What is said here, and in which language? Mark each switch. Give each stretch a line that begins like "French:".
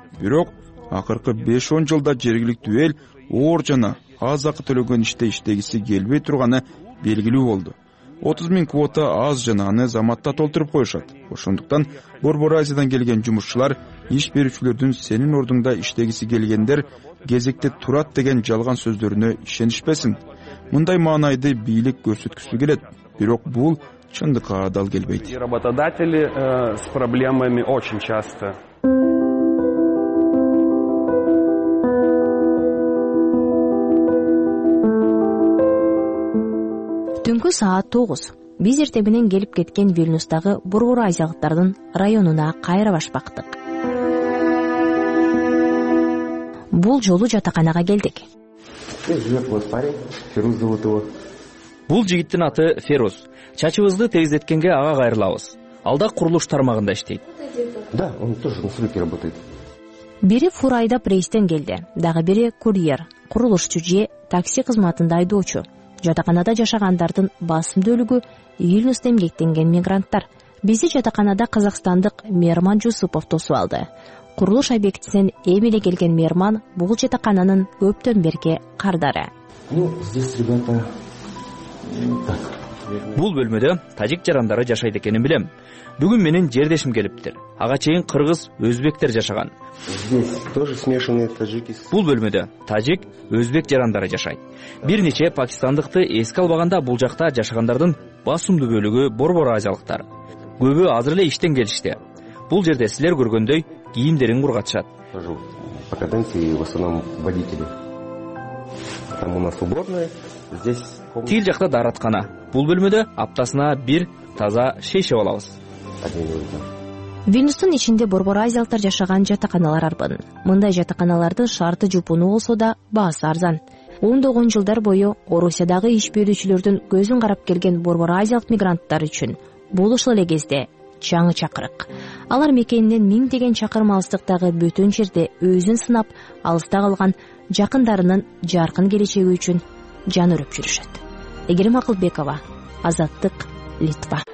Kyrgyz: Бирок акыркы 5-10 жылда жергиликтүү эл оор жана аз акы төлөгөн иште иштегиси келбей турганы белгилүү болду. 30,000 квота аз жана аны заматта толтуруп коюшат. Ошондуктан Борбор Азиядан келген жумушчулар иш берүүчүлөрдүн сенин ордуңда иштегиси келгендер кезекте турат деген жалган сөздөрүнө ишенишпесин. Мындай маанайды бийлик көрсөткүсү келет, бирок бул чындыкка адал келбейт.
Russian: Работодатели с проблемами очень часто.
Kyrgyz: Түнкү саат 9. Биз эртебинен келип кеткен Вильнюстагы Борбор Азиялыктардын районуна кайра баш бактык. Бул жолу жатаканага келдик. Бул жигиттин аты Ферус. Чачыбызды тегиздеткенге ага кайрылабыз. Алда курулуш тармагында иштейт.
Russian: Да, он тоже на стройке работает.
Kyrgyz: Бири фур айдап рейстен келди. Дагы бири курьер, курулушчу же такси кызматында айдоочу. Жатаканада жашагандардын басымдуу бөлүгү Вильнюстан эмгектенген мигранттар. Бизди жатаканада казакстандык Мерман Жусупов тосуп алды. Курулуш объектисинен эми эле келген Мерман бул жатакананын көптөн берки кардары.
Russian: Ну, здесь ребята. Так.
Kyrgyz: Бул бөлмөдө тажик жарандары жашайт экенин билем. Бүгүн менин жердешим келиптир. Ага чейин кыргыз, өзбектер жашаган.
Russian: Здесь тоже смешанные таджики.
Kyrgyz: Бул бөлмөдө тажик, өзбек жарандары жашайт. Бир нече пакистандыкты эске албаганда бул жакта жашагандардын басымдуу бөлүгү Борбор Азиялыктар. Көбү азыр эле иштен келишти. Бул жерде силер көргөндөй кийимдерин кургатышат.
Russian: По каденции в основном водители. Там у нас уборная. Здесь комната.
Kyrgyz: Тил жакта дараткана. Бул бөлмөдө аптасына бир таза шейшеп алабыз. Вильнюстун ичинде Борбор Азиялыктар жашаган жатаканалар арбын. Мындай жатаканалардын шарты жупуну болсо да баасы арзан. Ондогон жылдар бою Орусиядагы иш берүүчүлөрдүн көзүн карап келген Борбор Азиялык мигранттар үчүн бул ушул эле кезде жаңы чакырык. Алар мекенинен миңдеген чакырым алыстыктагы бөтөн жерде өзүн сынап, алыста калган жакындарынын жаркын келечеги үчүн жан өрүп жүрүшөт. Эгерим Акылбекова, Азаттык, Литва.